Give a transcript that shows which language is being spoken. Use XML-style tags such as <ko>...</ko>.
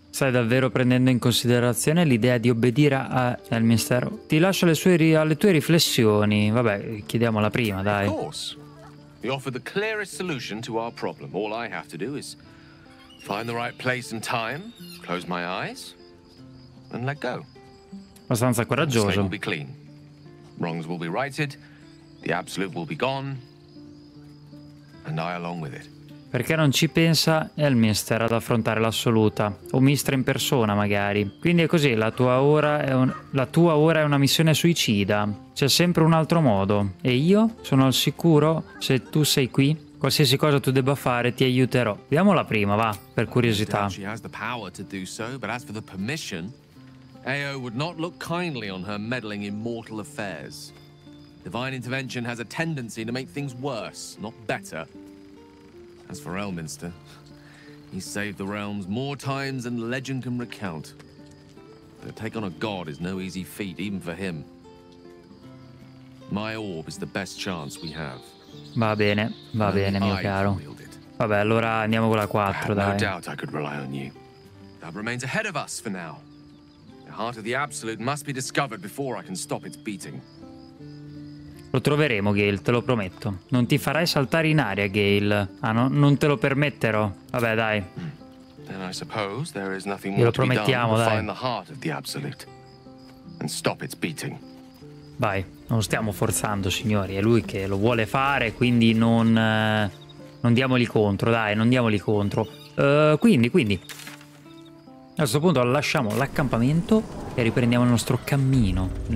<it>Stai davvero prendendo in considerazione l'idea di obbedire al mistero? Ti lascio alle tue riflessioni. Vabbè, chiediamo la prima, dai.</it> <en>Of course. You offer the clearest solution to our problem. All I have to do is find the right place and time, close my eyes and let go.</en> <it>Abbastanza coraggioso.</it> <en>The slate will be clean. Wrongs will be righted. The absolute will be gone. And I along with it.</en> <it>Perché non ci pensa Elminster ad affrontare l'assoluta? O Mistra in persona, magari. Quindi è così, la tua ora è una missione suicida. C'è sempre un altro modo. E io sono al sicuro, se tu sei qui, qualsiasi cosa tu debba fare, ti aiuterò. Vediamo la prima, va, per curiosità.</it> <en>She has the power to do so, but as for the permission, AO would not look kindly on her meddling in mortal affairs. Divine intervention has a tendency to make things worse, not better. As for Elminster, he saved the realms more times than legend can recount. But to take on a god is no easy feat, even for him. My orb is the best chance we have.</en> <it>Va bene, mio caro. Vabbè, allora andiamo con la 4, dai.</it> <en>I have no doubt I could rely on you. That remains ahead of us for now. The heart of the Absolute must be discovered before I can stop its beating.</en> <it>Lo troveremo, Gale, te lo prometto. Non ti farai saltare in aria, Gale. Ah, no, non te lo permetterò. Vabbè, dai.</it> <en>Then I suppose there is nothing more to be done to find the heart of the Absolute and stop its beating.</en> <it>Vai, non stiamo forzando, signori. È lui che lo vuole fare, quindi non... non diamogli contro, dai, non diamogli contro. Quindi... A questo punto lasciamo l'accampamento e riprendiamo il nostro cammino.</it>